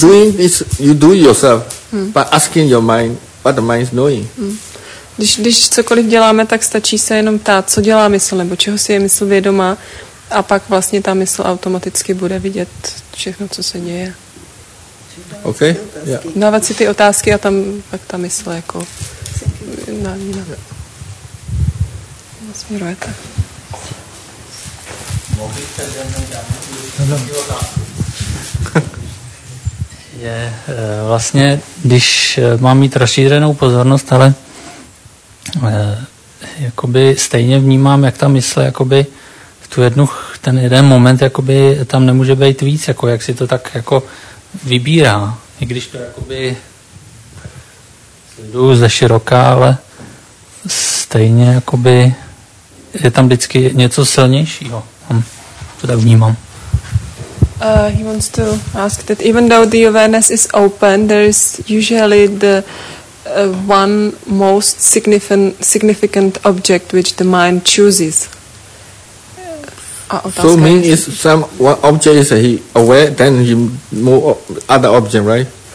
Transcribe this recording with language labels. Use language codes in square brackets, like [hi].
[en] doing this, you do yourself, but asking your mind, what the mind is knowing. [cs] Když cokoliv děláme, tak stačí se jenom ptát, co dělá mysl, nebo čeho si je mysl vědoma, a pak vlastně ta mysl automaticky bude vidět všechno, co se děje. [en] OK. Yeah. [cs] Dávat si ty otázky a tam pak ta mysl jako na nasměruje to. Je vlastně, když mám mít rozšířenou pozornost, ale jakoby stejně vnímám, jak ta mysl jakoby ten jeden moment jakoby tam nemůže být víc, jako jak si to tak jako vybírá, i když to jakoby jdu ze široka, ale stejně jakoby je tam vždycky něco silnějšího. To tak vnímám. [en] He wants to ask that even though the awareness is open, there is usually the one most significant object which the mind chooses. So mean is some one object is he aware, then he more other object, right?